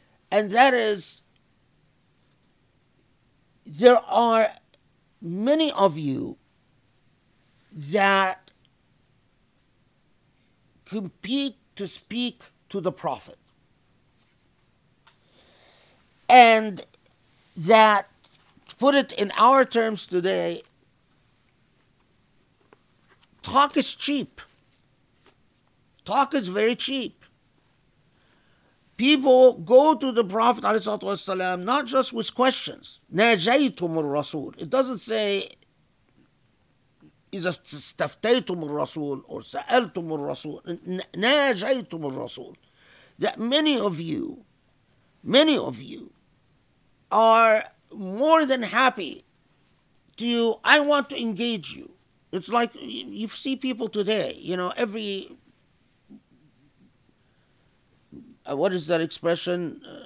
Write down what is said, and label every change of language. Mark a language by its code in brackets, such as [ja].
[en] And that is, there are many of you that compete to speak to the Prophet, and that, to put it in our terms today, talk is cheap. Talk is very cheap. People go to the Prophet ﷺ not just with questions. [ar] ناجيتم الرسول. [en] It doesn't say [ar] إذا استفتيتم الرسول [en] or [ar] سألتم الرسول. ناجيتم الرسول. [en] That many of you are more than happy to, I want to engage you. It's like you see people today, you know, every, what is that expression?